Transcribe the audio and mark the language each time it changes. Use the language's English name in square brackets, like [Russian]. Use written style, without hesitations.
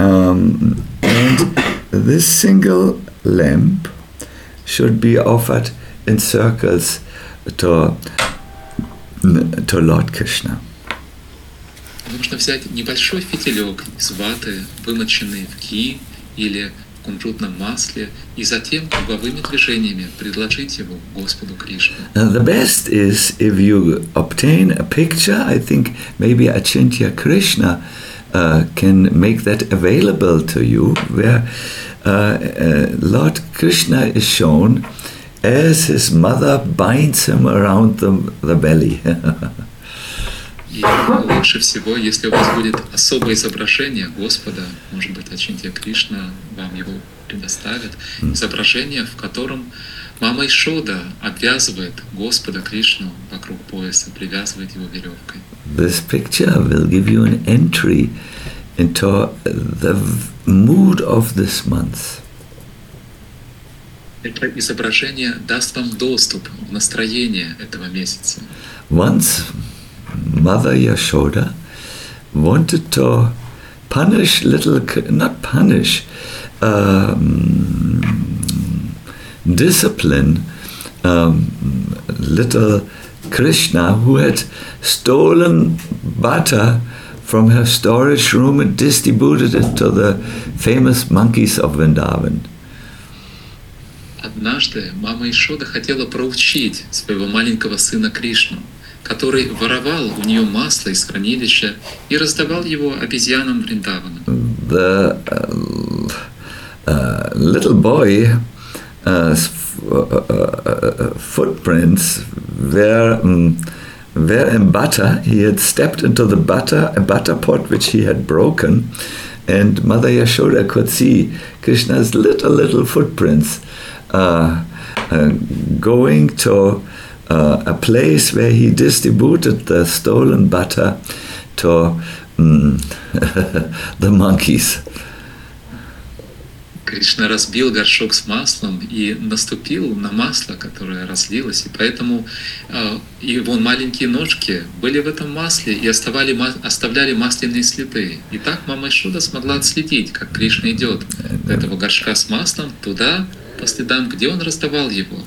[English] And this single lamp should be offered in circles to Lord Krishna. [Russian] Нужно взять небольшой фитилек из ваты, вымоченный в ги или в кунжутном масле, и затем круговыми движениями предложить его Господу Кришне. [English] The best is if you obtain a picture. I think maybe Achintya Krishna can make that available to you, where Lord Krishna is shown as his mother binds him around the belly. [Russian] И лучше всего, если у вас будет особое изображение Господа, может быть, Ачинтья Кришна вам его предоставит, изображение, в котором мама Ишода обвязывает Господа Кришну вокруг пояса, привязывает его веревкой. [English] This picture will give you an entry into the mood of this month. [Russian] Это изображение даст вам доступ в настроение этого месяца. [English] Once Mother Yashoda wanted to punish little Krishna, who had stolen butter from her storage room and distributed it to the famous monkeys of Vrindavan. [Russian] Однажды мама Ишода хотела проучить своего маленького сына Кришну, который воровал у нее масло из хранилища и раздавал его обезьянам Вриндавана. [English] The little boy footprints were in butter. He had stepped into the butter, a butter pot which he had broken, and Mother Yashoda could see Krishna's little footprints going to a place where he distributed the stolen butter to the monkeys. [Russian] Кришна разбил горшок с маслом и наступил на масло, которое разлилось, и поэтому его маленькие ножки были в этом масле и оставляли масляные следы. И так мама Ишода смогла отследить, как Кришна идет от этого горшка с маслом туда, по следам, где он раздавал его.